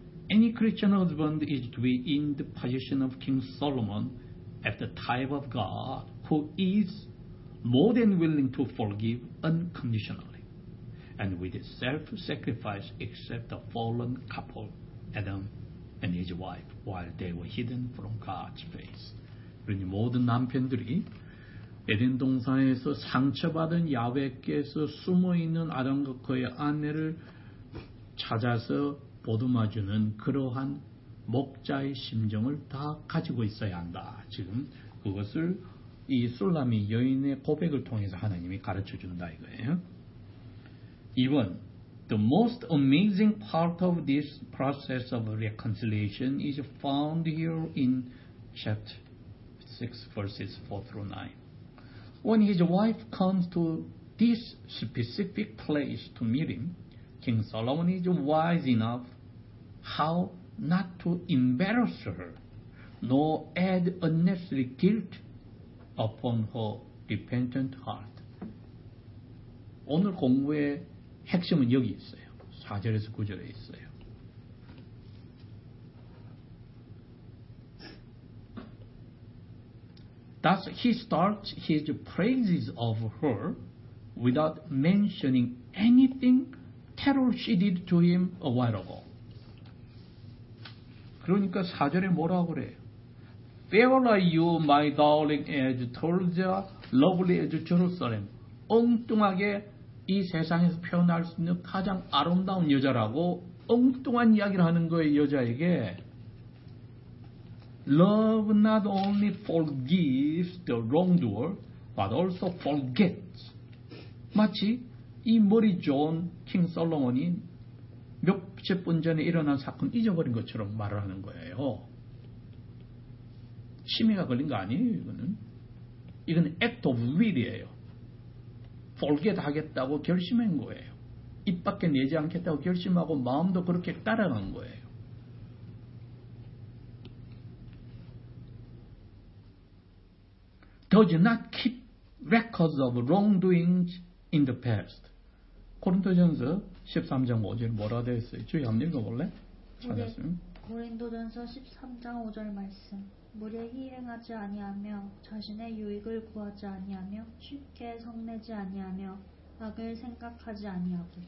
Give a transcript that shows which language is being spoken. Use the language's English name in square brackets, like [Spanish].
[English] Any Christian husband is to be in the position of King Solomon at the time of God, who is more than willing to forgive unconditionally. And with self-sacrifice except the fallen couple, Adam and his wife, while they were hidden from God's face. [Korean] 그러니 모든 남편들이 에덴 동산에서 상처받은 야훼께서 숨어 있는 아담과 그의 아내를 찾아서 보듬어주는 그러한 목자의 심정을 다 가지고 있어야 한다. 지금 그것을 이 술람이 여인의 고백을 통해서 하나님이 가르쳐 준다 이거예요. [English] 2번, The most amazing part of this process of reconciliation is found here in chapter 6, verses 4 through 9. When his wife comes to this specific place to meet him, King Solomon is wise enough how not to embarrass her, nor add unnecessary guilt upon her repentant heart. [Korean] 오늘 공부의 핵심은 여기 있어요. 4절에서 9절에 있어요. [English] Thus he starts his praises of her without mentioning anything terrible she did to him a while ago. [Korean] 그러니까 4절에 뭐라고 그래요? [English] Fair are you, my darling, as Tolja, lovely as Jerusalem. [Korean] 엉뚱하게 이 세상에서 표현할 수 있는 가장 아름다운 여자라고 엉뚱한 이야기를 하는 거예요, 여자에게. [English] Love not only forgives the wrongdoer, but also forgets. [Korean] 마치 이 머리 좋은 킹 솔로몬이 몇십 분 전에 일어난 사건 잊어버린 것처럼 말을 하는 거예요. 심의가 걸린 거 아니에요, 이거는. 이건 [English] act of will [Korean] 이에요. forget 하겠다고 결심한 거예요. 입 밖에 내지 않겠다고 결심하고 마음도 그렇게 따라간 거예요. [English] 도즈 not keep records of wrongdoings in the past. [Korean] 고린도전서 13장 5절 뭐라 되어 있어요? 주의 한번 읽어볼래? 고린도전서 13장 5절 말씀. 무례 희행하지 아니하며 자신의 유익을 구하지 아니하며 쉽게 성내지 아니하며 악을 생각하지 아니하고.